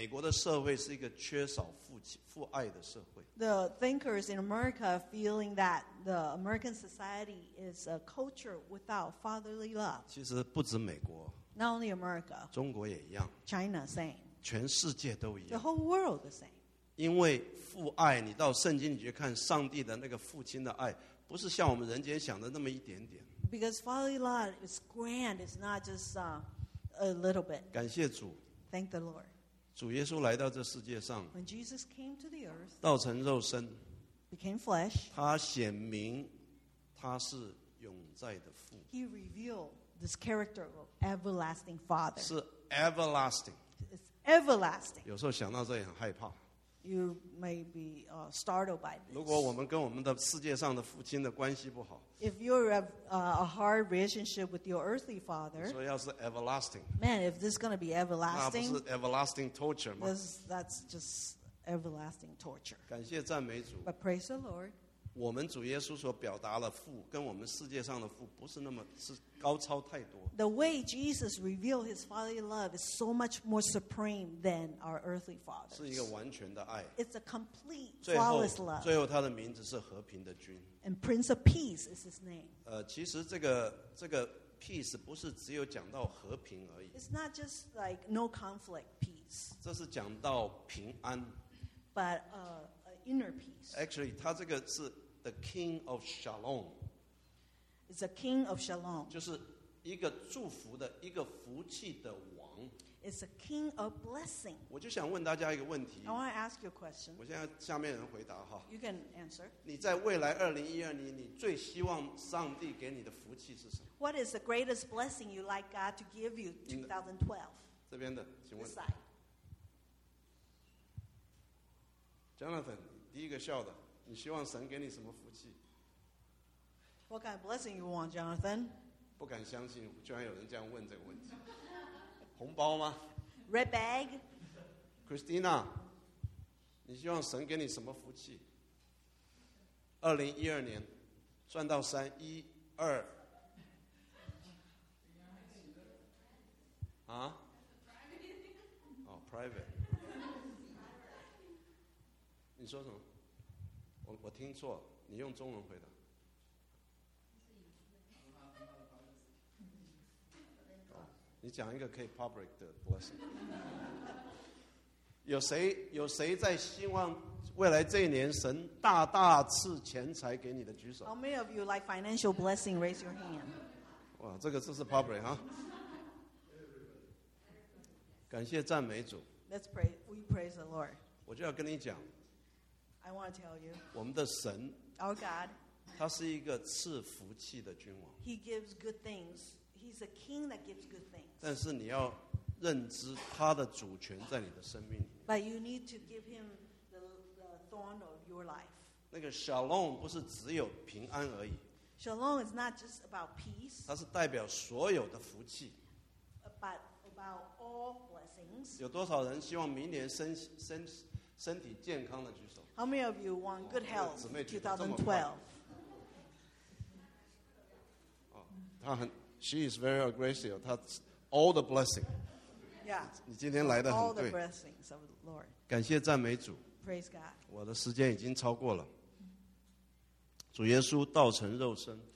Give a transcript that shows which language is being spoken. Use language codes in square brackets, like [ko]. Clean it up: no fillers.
[zh] 所有很多的思想家不一定是基督徒，他们都说美国是美国的社会是一个缺少父爱的社会。 [en] The thinkers in America are feeling that the American society is a culture without fatherly love. [zh] 其实不止美国。 [en] Not only America. [zh] 中国也一样。 [en] China same. [zh] 全世界都一样。 [en] The whole world the same. [zh] 因为父爱，你到圣经里去看，上帝的那个父亲的爱，不是像我们人间想的那么一点点。Because [en] fatherly love is grand, it's not just a little bit. [zh] 感谢主。 [en] Thank the Lord. [zh] 主耶稣来到这世界上。 [en] When Jesus came to the earth. [zh] 道成肉身。 [en] Became flesh. [zh] 他显明。他是永在的父。 [en] He revealed this character of everlasting Father. [zh] 是 everlasting. [en] It's everlasting. [zh] 有时候想到这也很害怕。 [en] You may be startled by this. [zh] 如果我们跟我们的世界上的父亲的关系不好 [en] ，If you have a hard relationship with your earthly father, [zh] 说要是 everlasting, [en] man, if this is going to be everlasting, [zh] 那不是 [en] everlasting torture [zh] 吗 [en] ？That's just everlasting torture. [zh] 感谢赞美主 [en] ，But praise the Lord. [zh] 我们主耶稣所表达的父跟我们世界上的父不是那么是高超太多。 [en] The way Jesus revealed his fatherly love is so much more supreme than our earthly fathers. [zh] 是一个完全的爱。 [en] It's a complete flawless love. [zh] 最后他的名字是和平的君。 [en] And Prince of Peace is his name. [zh] 其实这个 peace 不是只有讲到和平而已。 [en] It's not just like no conflict peace. [zh] 这是讲到平安。 [en] But inner peace. Actually, [zh] 他这个是 [en] the King of Shalom. It's a King of Shalom. [zh] 就是一个祝福的一个福气的王。 [en] It's a King of Blessing. [zh] 我就想问大家一个问题。 [en] I want to ask you a question. [zh] 我现在下面人回答哈。 [en] You can answer. [zh] 你在未来2012年，你最希望上帝给你的福气是什么？ [en] What is the greatest blessing you like God to give you 2012? [zh] 这边的，请问。 [en] This side. [zh] Jonathan, 第一个笑的，你希望神给你什么福气？ [en] What kind of blessing you want, Jonathan? [zh] 不敢相信，居然有人这样问这个问题。红包吗？ [en] Red bag? [zh] Christina, 你希望神给你什么福气？ 2012年，算到三，一、二。 [en] 啊？哦、oh, private. [zh] 你说什么 我听错你用中文回答你讲一个可以 public 的 blessing 有谁在希望未来这一年神大大赐钱财给你的举手 [en] How many of you like financial blessing raise your hand [zh] 哇这个这是 public 哈感谢赞美主 [en] Let's pray we praise the Lord [zh] 我就要跟你讲 [en] I want to tell you. [zh] 我们的神 [en] Our God. [zh] 他是一个赐福气的君王 [en] He gives good things. He's a king that gives good things. [zh] 但是你要认知他的主权在你的生命里面 [en] But you need to give him the throne of your life. [zh] 那个 Shalom 不是只有平安而已 [en] Shalom is not just about peace. [zh] 它是代表所有的福气 [en] But about all blessings. [zh] 有多少人希望明年身体健康的举手 [en] How many of you want good health 2012? She is very aggressive. That's all the blessing. Yeah. [zh] 你今天来得很对 [en] All the blessings of the Lord. [zh] 感谢赞美主 [en] Praise God. [zh] 我的时间已经超过了。主耶稣道成肉身